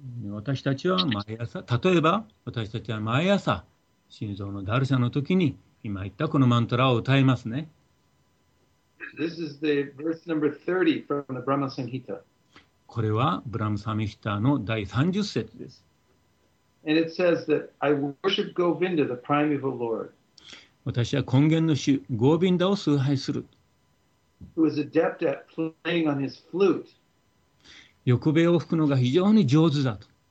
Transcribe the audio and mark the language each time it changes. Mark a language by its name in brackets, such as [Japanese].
[Japanese] 私たちは毎朝、例えば私たちは毎朝、心臓のダルシャの時に今言ったこのマントラを歌いますね。 [English] This is the verse number 30 from the Brahma Sanghita. [Japanese] これはブラムサミヒタの第30節です。 [English] And it says that I worship Govinda, the primeval Lord. [Japanese] 私は根源の主、ゴービンダを崇拝する。 [English] Who is adept at playing on his flute. [Japanese] 横笛を吹くのが非常に上手だと。